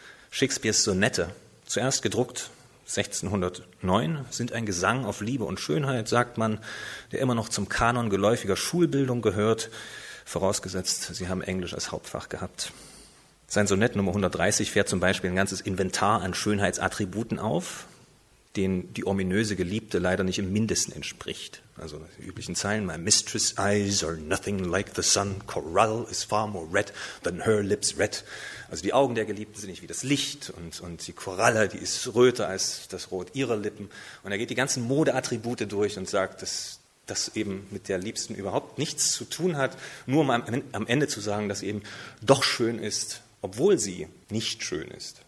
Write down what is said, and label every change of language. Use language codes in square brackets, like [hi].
[de] Shakespeares Sonette, zuerst gedruckt 1609, sind ein Gesang auf Liebe und Schönheit, sagt man, der immer noch zum Kanon geläufiger Schulbildung gehört, vorausgesetzt, sie haben Englisch als Hauptfach gehabt. Sein Sonett Nummer 130 fährt zum Beispiel ein ganzes Inventar an Schönheitsattributen auf, den die ominöse Geliebte leider nicht im Mindesten entspricht. Also die üblichen Zeilen. [en] My mistress' eyes are nothing like the sun. Coral is far more red than her lips red. [de] Also die Augen der Geliebten sind nicht wie das Licht. Und die Koralle, die ist röter als das Rot ihrer Lippen. Und er geht die ganzen Modeattribute durch und sagt, dass das eben mit der Liebsten überhaupt nichts zu tun hat. Nur um am Ende zu sagen, dass sie eben doch schön ist, obwohl sie nicht schön ist.